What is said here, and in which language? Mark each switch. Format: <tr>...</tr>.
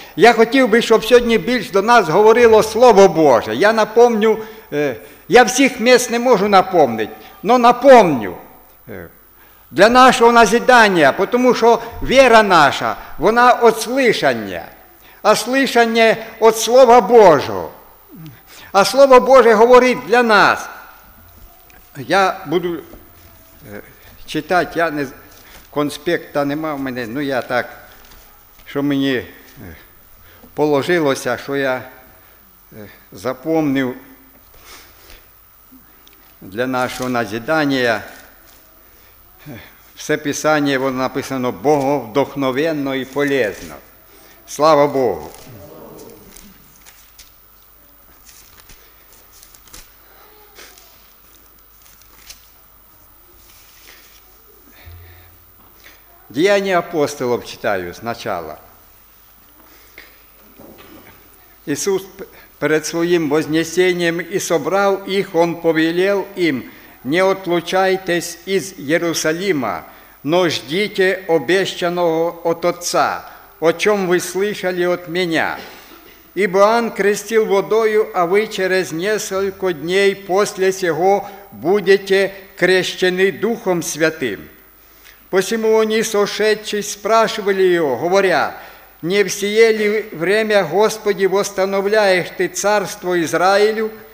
<uk>Я хотів би, щоб сьогодні більш до нас говорило Слово Боже. Я напомню, я всіх місць не можу напомнити, але напомню. Для нашого назидання, тому що віра наша, вона від слышання. А слышання від Слова Божого. А Слово Боже говорить для нас. Я буду читати, я не конспекта нема в мене, ну я так, що мені положилося, що я запомнив для нашого назидання. Все Писання, воно написано Боговдохновенно і полезно. Слава Богу! Діяння апостолів читаю спочатку. Ісус перед своїм вознесенням і собрав їх, Он повелел їм: «Не отлучайтесь із Єрусалима, но ждіть обещаного от Отца, о чому ви слышали от Меня.</uk> <ru>Ибо Иоанн крестил водою, а ви через несколько дней после сего будете крещены Духом Святым». Посему они, сошедши, спрашивали Его, говоря: «Не в сие ли время, Господи, восстановляешь Ты царство Израилю?»</ru>